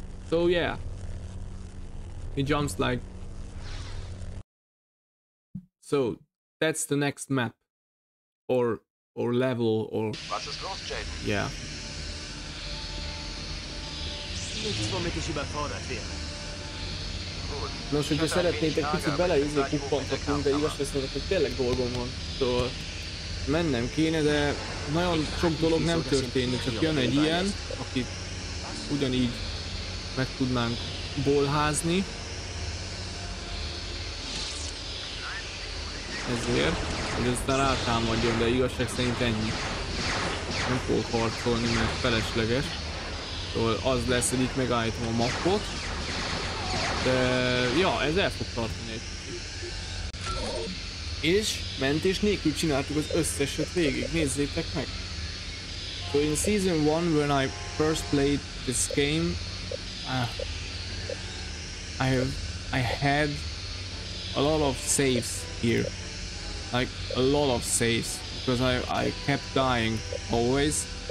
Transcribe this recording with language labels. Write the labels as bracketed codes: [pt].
[en] So yeah. He jumps like. So, that's the next map. Or level or. [de] Was ist los, Jaden? [en] Yeah. [de] Nichts, womit ich überfordert wäre. [hu] Nos, hogyha szeretnétek picit beleízni kuppantatunk, de igaz lesz, hogy tényleg dolgom van. Szóval mennem kéne, de nagyon sok dolog nem történik, csak jön egy ilyen, akit ugyanígy meg tudnánk bolházni. Ezért, hogy aztán rátámadjon, de igazság szerint ennyi. Nem fogok harcolni, mert felesleges. Szóval az lesz, hogy itt megállítom a mappot. De, ja, ez el fog tartani egy és mentés nélkül csináltuk az összeset végig, nézzétek meg! [en] So in season 1, when I first played this game, I had a lot of saves here. Like, a lot of saves, because I kept dying always.